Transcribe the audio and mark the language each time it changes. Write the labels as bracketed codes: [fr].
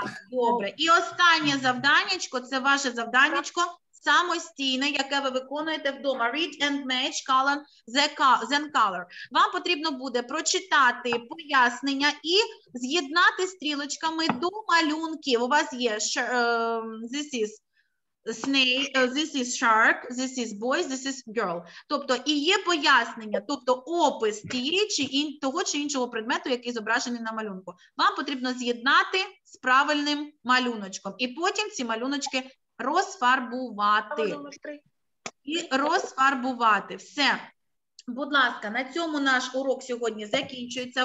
[uk] Добре. І останнє завданнячко, це ваше завданнячко самостійне, яке ви виконуєте вдома. [en] Read and match color, then color. [uk] Вам потрібно буде прочитати пояснення і з'єднати стрілочками до малюнків. У вас є [en] this is snake, this is shark, this is boy, this is girl. [uk] Тобто і є пояснення, тобто опис тієї чи того чи іншого предмету, який зображений на малюнку. Вам потрібно з'єднати з правильним малюночком. І потім ці малюночки розфарбувати. І розфарбувати. Все. Будь ласка, на цьому наш урок сьогодні закінчується.